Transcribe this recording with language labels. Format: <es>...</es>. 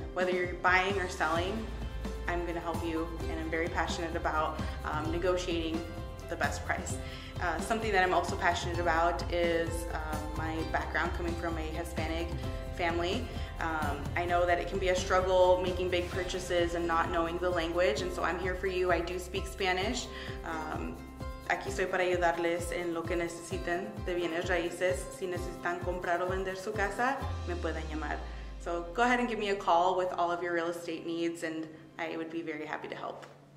<en>Whether you're buying or selling, I'm gonna help you. And I'm very passionate about negotiating the best price. Something that I'm also passionate about is my background, coming from a Hispanic family. I know that it can be a struggle making big purchases and not knowing the language, and so I'm here for you. I do speak Spanish.</en> <es>Aquí estoy para ayudarles en lo que necesiten de bienes raíces. Si necesitan comprar o vender su casa, me pueden llamar.</es> <en>So go ahead and give me a call with all of your real estate needs, and I would be very happy to help.</en>